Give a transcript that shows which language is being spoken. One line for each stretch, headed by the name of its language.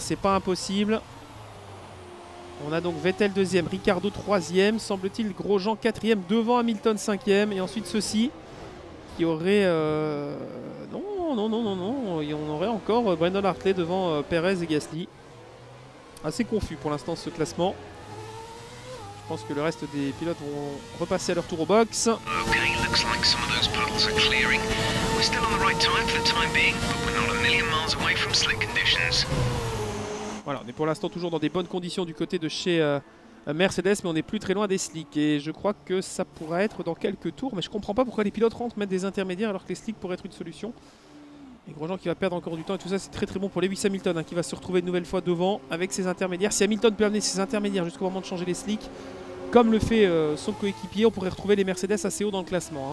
French: C'est pas impossible. On a donc Vettel 2e, Ricardo 3e, semble-t-il Grosjean 4e, devant Hamilton 5e. Et ensuite ceci qui aurait... Non. Et on aurait encore Brandon Hartley devant Perez et Gasly. Assez confus pour l'instant ce classement. Je pense que le reste des pilotes vont repasser à leur tour au box.
English: Okay, looks like some of those puddles are clearing. We're still on the right tire for the time being, but we're not a million miles away from slick conditions.
French: Voilà, on est pour l'instant toujours dans des bonnes conditions du côté de chez Mercedes, mais on n'est plus très loin des slicks. Et je crois que ça pourrait être dans quelques tours, mais je comprends pas pourquoi les pilotes rentrent mettre des intermédiaires alors que les slicks pourraient être une solution. Et Grosjean qui va perdre encore du temps et tout ça, c'est très très bon pour Lewis Hamilton hein, qui va se retrouver une nouvelle fois devant avec ses intermédiaires. Si Hamilton peut amener ses intermédiaires jusqu'au moment de changer les slicks, comme le fait son coéquipier, on pourrait retrouver les Mercedes assez haut dans le classement.